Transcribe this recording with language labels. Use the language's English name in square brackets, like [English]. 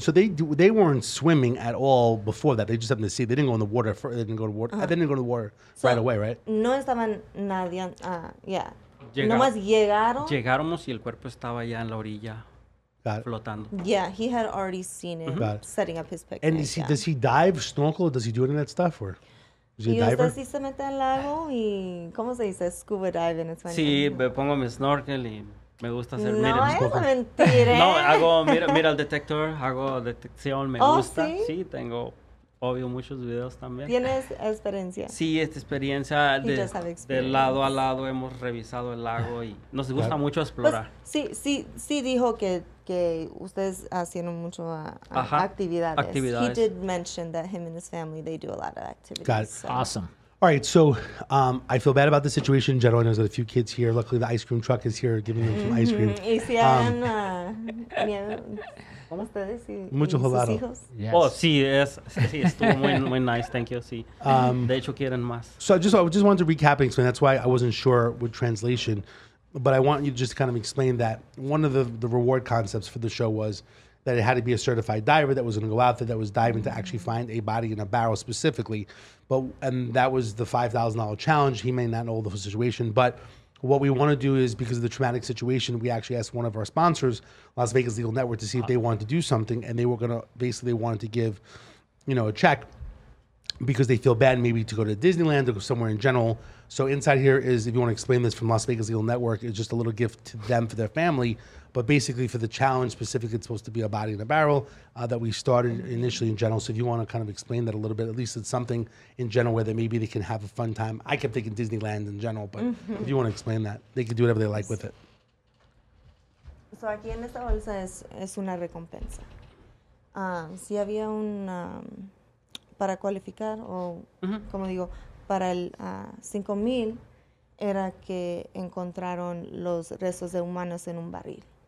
[English] So they weren't swimming at all before that. They just happened to see. They didn't go in the water. They didn't go to water. Uh-huh. They didn't go to the water so right away, right? [Spanish] No estaban nadie. Yeah. Nomás llegaron. Llegamos y el cuerpo estaba ya en la orilla flotando. [English] Yeah, he had already seen it, mm-hmm. setting up his picnic. And is he, yeah. does he dive, snorkel, or does he do any of that stuff? Or is he a diver? [Spanish] Y usted sí se mete al lago y, ¿cómo se dice? Scuba dive en español. Sí, me pongo mi snorkel y me gusta hacer, no, mire. No, es mentira. No, hago, mira el detector, hago detección, me oh, gusta. ¿Sí? Sí, tengo, obvio, muchos videos también. ¿Tienes experiencia? Sí, esta experiencia de lado a lado hemos revisado el lago y nos gusta yeah. mucho explorar. Pues, sí, dijo que ustedes hacen mucho actividades. [English] He did mention that him and his family, they do a lot of activities. Got it. So. Awesome. All right, so I feel bad about the situation. Generally, I know there's a few kids here. Luckily, the ice cream truck is here giving them some ice cream. [Spanish] Y si hayan, ¿Cómo? Ustedes y sus hijos. [English] Yes. [Spanish] Oh, sí, es, sí, estuvo muy, muy nice. [English] Thank you. [Spanish] Sí. De hecho, quieren más. [English] So I just wanted to recap and explain. That's why I wasn't sure with translation. But I want you to just kind of explain that one of the reward concepts for the show was that it had to be a certified diver that was going to go out there, that was diving to actually find a body in a barrel specifically. But and that was the $5,000 challenge. He may not know the whole situation. But what we want to do is, because of the traumatic situation, we actually asked one of our sponsors, Las Vegas Legal Network, to see if they wanted to do something. And they were going to, basically they wanted to give, you know, a check because they feel bad maybe to go to Disneyland or somewhere in general. So inside here is, if you want to explain this from Las Vegas Legal Network, it's just a little gift to them for their family. But basically for the challenge specifically, it's supposed to be a body in a barrel that we started initially in general. So if you want to kind of explain that a little bit, at least it's something in general where they maybe they can have a fun time. I kept thinking Disneyland in general, but if you want to explain that, they can do whatever they like with it. [Spanish] So aquí en esta bolsa es una recompensa. Si había un para cualificar o como digo, para el 5,000 era que encontraron los restos de humanos en un barril.